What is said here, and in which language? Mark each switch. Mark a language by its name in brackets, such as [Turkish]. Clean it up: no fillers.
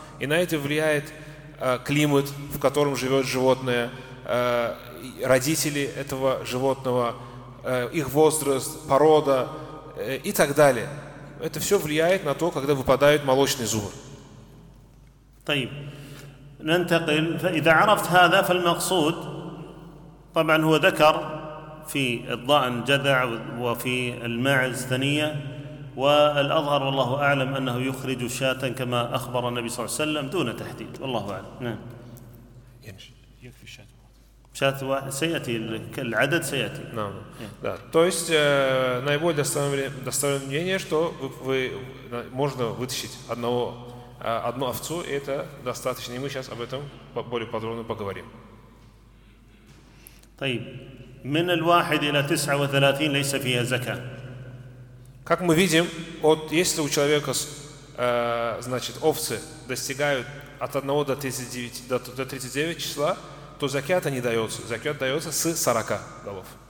[Russian] И на это влияет климат, в котором живет животное, родители этого животного, их возраст, порода и так далее. Это все влияет на то, когда выпадают молочные зубы. [Arabic] طيب. ننتقل. فإذا عرفت هذا فالمقصود طبعا هو ذكر في الضأن جذع وفي المعز ثنية. والأظهر والله أعلم أنه يخرج شاة كما أخبر النبي صلى الله عليه وسلم دون تحديد, والله أعلم. نعم. يكفي شاة واحد. شاة واحد سيأتي العدد سيأتي. نعم. [Russian] Да. То есть наиболее достоверное мнение, что вы можно вытащить одну овцу, и это достаточно. И мы сейчас об этом более подробно поговорим. [Arabic] طيب. من الواحد إلى 39 ليس فيها زكاة. [Russian] Как мы видим, вот если у человека, значит, овцы достигают от 1 до 39 числа, то закята не дается. Закят дается с 40 голов.